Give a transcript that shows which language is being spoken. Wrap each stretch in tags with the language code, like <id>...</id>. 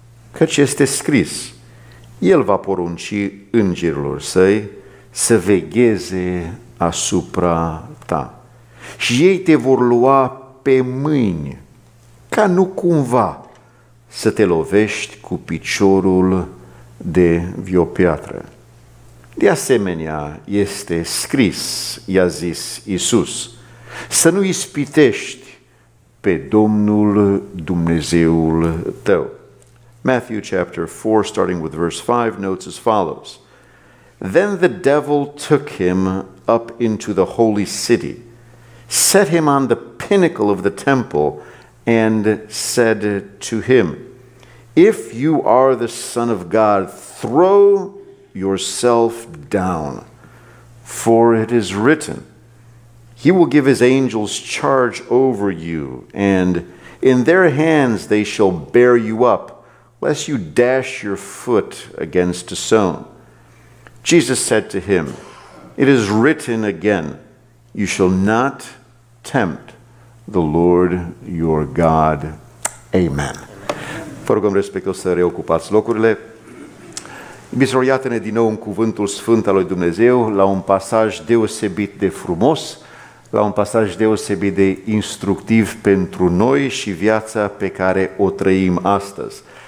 <ro>căci este scris, el va porunci îngerilor săi să vegheze asupra ta și ei te vor lua pe mâini, ca nu cumva să te lovești cu piciorul de vreo piatră. De asemenea, este scris, i-a zis Iisus, să nu ispitești pe Domnul Dumnezeul tău.</ro> <en>Matthew chapter 4, starting with verse 5, notes as follows. Then the devil took him up into the holy city, set him on the pinnacle of the temple, and said to him, if you are the Son of God, throw yourself down, for it is written, he will give his angels charge over you, and in their hands they shall bear you up, lest you dash your foot against a stone. Jesus said to him, it is written again, you shall not tempt the Lord your God. Amen.</en> <ro>Vă rugăm respectul să reocupați locurile. Biserică, iată-ne din nou în cuvântul sfânt al lui Dumnezeu, la un pasaj deosebit de frumos, la un pasaj deosebit de instructiv pentru noi și viața pe care o trăim astăzi.</ro>